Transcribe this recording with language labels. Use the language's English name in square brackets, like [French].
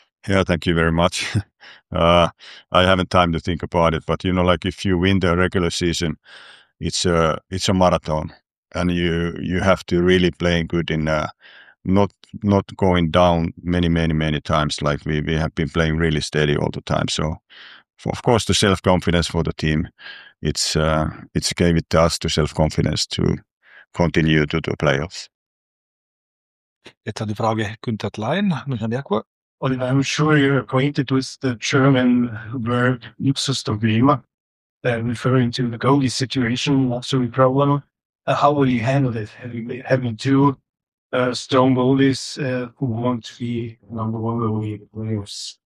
[English] Yeah, thank you very much. I haven't time to think about it, but you know, like if you win the regular season, it's a marathon, and you have to really play good in not going down many times. Like we have been playing really steady all the time. So of course the self-confidence for the team, it's gave it to us the self-confidence to continue to the playoffs. [German] Jetzt hat die Frage Günther Klein, Michael Merkur. [English] Und I'm sure you're acquainted with the German word Luxusprobleme, referring to the goalie situation, luxury problem. How will you handle it? Having two strong goalies who want to be number one goalie players?